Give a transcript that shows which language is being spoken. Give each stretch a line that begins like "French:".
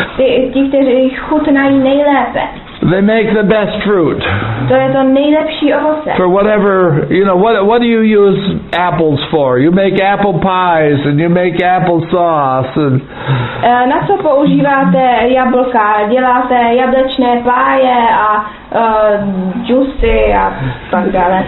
Czech: Ti, kteří chutnají nejlépe.
English: They make the best fruit.
Czech: To je to nejlepší ovoce.
English: For whatever, you know, what do you use apples for? You make apple pies and you make apple sauce. And
Czech: na co používáte jablka? Děláte jablečné páje a džusy a tak dále.